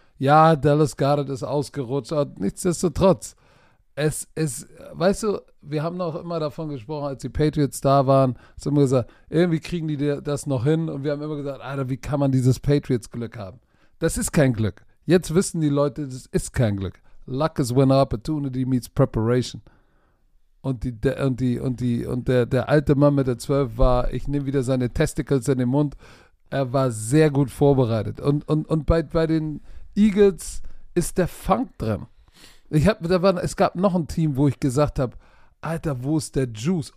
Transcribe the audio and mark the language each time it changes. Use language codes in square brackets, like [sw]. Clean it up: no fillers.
[de] Ja, Dallas Goedert ist ausgerutscht, aber nichtsdestotrotz. Weißt du, wir haben noch immer davon gesprochen, als die Patriots da waren, haben wir immer gesagt, irgendwie kriegen die das noch hin. Und wir haben immer gesagt, Alter, wie kann man dieses Patriots-Glück haben? Das ist kein Glück. Jetzt wissen die Leute, das ist kein Glück. [en] Luck is when opportunity meets preparation. [de] Und der alte Mann mit der 12 war, ich nehme wieder seine Testicles in den Mund, er war sehr gut vorbereitet. Und bei den Eagles ist der Funk drin. Es gab noch ein Team, wo ich gesagt habe, Alter, wo ist der Juice?